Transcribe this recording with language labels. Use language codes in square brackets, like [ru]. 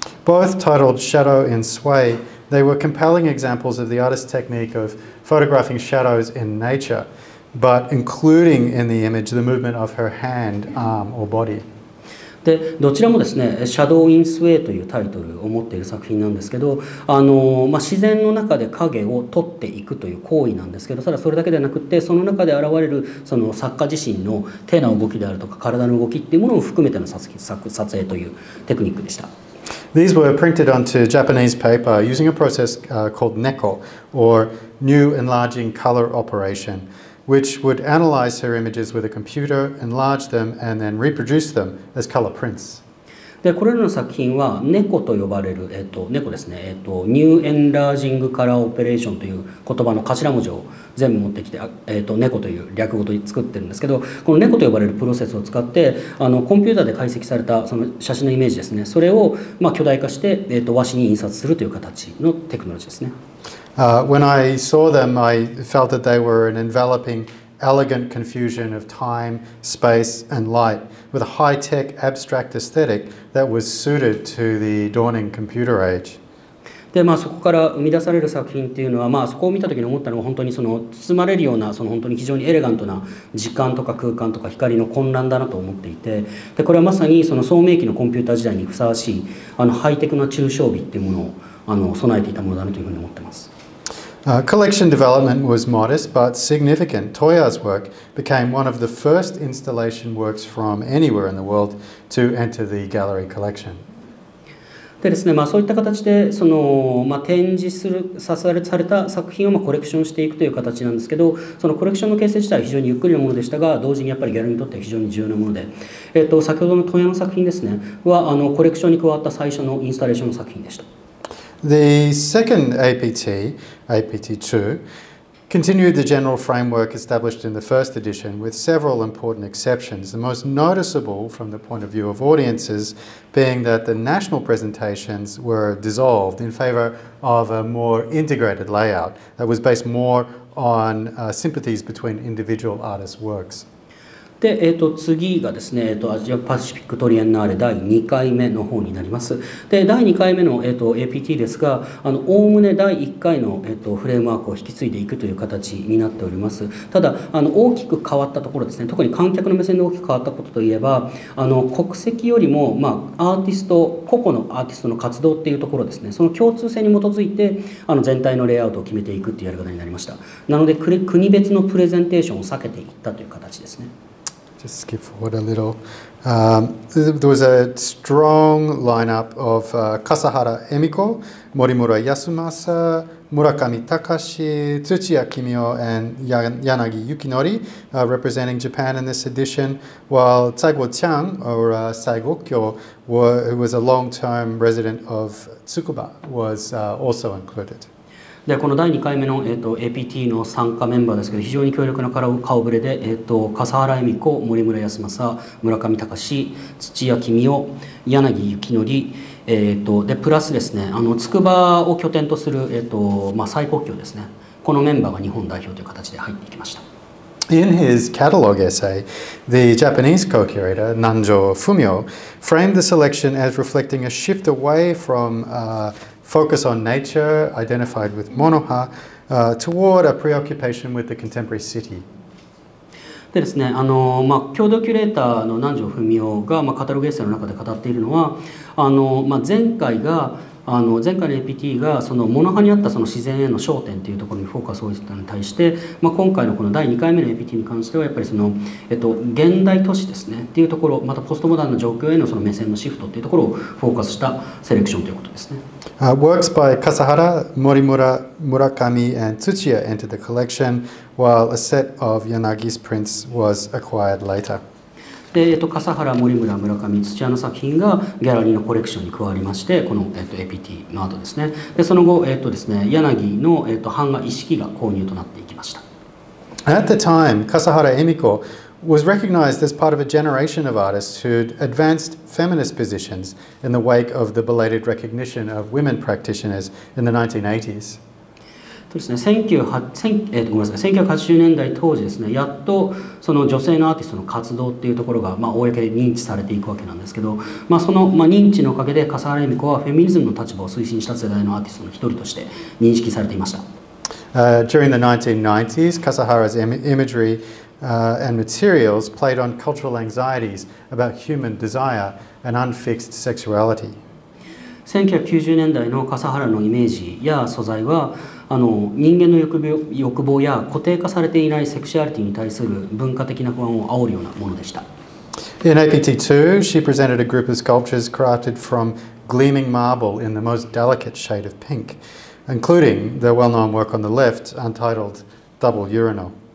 [en] Both titled Shadow and Sway, they were compelling examples of the artist's technique of photographing shadows in nature, but including in the image the movement of her hand, arm or body [ja] でどちらもですね、シャドウ・イン・スウェイというタイトルを持っている作品なんですけど、まあ、自然の中で影を取っていくという行為なんですけど、ただそれだけではなくて、その中で現れるその作家自身の手の動きであるとか体の動きっていうものを含めての撮影というテクニックでした。 [en] These were printed onto Japanese paper using a process called Neko, or New Enlarging Color Operation. Which would analyze her images with a computer, enlarge them, and then reproduce them as color prints. [ja] でこれらの作品は猫と呼ばれる、猫ですね、ニューエンラージングカラーオペレーションという言葉の頭文字を全部持ってきて、猫という略語と作ってるんですけど、この猫と呼ばれるプロセスを使って、あのコンピューターで解析されたその写真のイメージですね、それをまあ巨大化して、和紙に印刷するという形のテクノロジーですね。 [en] When I saw them, I felt that they were an enveloping, elegant confusion of time, space, and light, with a high-tech, abstract aesthetic that was suited to the dawning computer age. [ja] でまあ、そこから生み出される作品というのは、まあ、そこを見た時に思ったのは本当にその包まれるようなその本当に非常にエレガントな時間とか空間とか光の混乱だなと思っていて、でこれはまさにその創明期のコンピューター時代にふさわしいあのハイテクな抽象美というものをあの備えていたものだなというふうに思っています。 [en] Collection development was modest but significant. Toya's work became one of the first installation works from anywhere in the world to enter the gallery collection. [ja] でですね、まあ、そういった形でその、まあ、展示するされた作品をまあコレクションしていくという形なんですけど、そのコレクションの形成自体は非常にゆっくりのものでしたが、同時にやっぱりギャラリーにとっては非常に重要なもので、先ほどの問屋の作品ですねはあのコレクションに加わった最初のインスタレーションの作品でした。 [en] The second APT, APT2, continued the general framework established in the first edition with several important exceptions, the most noticeable from the point of view of audiences being that the national presentations were dissolved in favor of a more integrated layout that was based more on sympathies between individual artists' works. [ja] で次がですね、アジアパシフィックトリエンナーレ第2回目の方になります。で第2回目の、APT ですが、あの概ね第1回の、フレームワークを引き継いでいくという形になっております。ただあの大きく変わったところですね、特に観客の目線で大きく変わったことといえば、あの国籍よりも、まあ、アーティスト個々のアーティストの活動っていうところですね、その共通性に基づいてあの全体のレイアウトを決めていくっていうやり方になりました。なので国別のプレゼンテーションを避けていったという形ですね。 [en] Skip forward a little. There was a strong lineup of Kasahara Emiko, Morimura Yasumasa, Murakami Takashi, Tsuchiya Kimio, and Yanagi Yukinori representing Japan in this edition, while Saigo Chiang, or Saigo Kyo, who was a long-term resident of Tsukuba, was also included. [ja] でこの第2回目の、APT の参加メンバーですけど、非常に強力な顔ぶれで、笠原恵美子、森村康政、村上隆、土屋君雄、柳幸典、でプラスですね、あの筑波を拠点とする、まあ、最高級ですね、このメンバーが日本代表という形で入っていきました。 [en] In his catalog essay, the Japanese co-curator, Nanjo Fumio, framed the selection as reflecting a shift away from focus on nature, identified with monoha, toward a preoccupation with the contemporary city. [ja] でですね、まあ、共同キュレーターの南條文夫が、まあ、カタログエッセイの中で語っているのは、まあ、前回の APT がそのモノハにあったその自然への焦点というところにフォーカスを置いたのに対して、まあ、今回のこの第2回目の APT に関してはやっぱりその、現代都市ですねっていうところ、またポストモダンの状況へ の, その目線のシフトっていうところをフォーカスしたセレクションということですね。 [en] Works by Kasahara, Morimura, Murakami and Tsuchiya entered the collection, while a set of Yanagi's prints was acquired later. [ja] で、笠原、森村、村上、土屋の作品がギャラリーのコレクションに加わりまして、この、APT の後ですね、でその後、ですね、柳の、版画一式が購入となっていきました。 [en] At the time, Kasahara Emiko was recognized as part of a generation of artists who'd advanced feminist positions in the wake of the belated recognition of women practitioners in the 1980s. [ja] ですね、1980年代当時ですね、やっとその女性のアーティストの活動っていうところが、まあ、公に認知されていくわけなんですけど、まあ、その、まあ、認知のおかげで笠原恵美子はフェミニズムの立場を推進した世代のアーティストの一人として認識されていました。 [en] During the 1990s, Kasahara's imagery, and materials played on cultural anxieties about human desire and unfixed sexuality. [ja] 1990年代の笠原のイメージや素材は、あの人間の欲望や固定化されていないセクシュアリティに対する文化的な不安を煽るようなものでした。 [en] In APT2, she presented a group of sculptures crafted from gleaming marble in the most delicate shade of pink, including the well-known work on the left, untitled Double Urinal.